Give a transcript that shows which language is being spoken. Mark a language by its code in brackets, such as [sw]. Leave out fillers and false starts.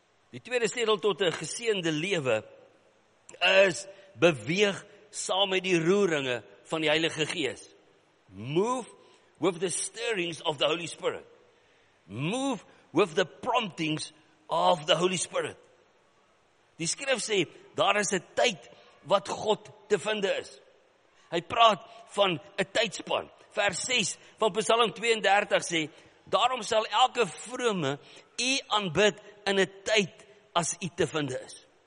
[af] Die tweede sleutel tot 'n geseënde lewe is beweeg saam met die roeringe van die Heilige Gees. [en] Move with the stirrings of the Holy Spirit. Move with the promptings of the Holy Spirit. [af] Die skrif sê, daar is 'n tyd wat God te vinde is. Hy praat van 'n tydspan. Vers 6 van Psalm 32 sê, daarom sal elke vrome u aanbid in 'n tyd as u te vinde is.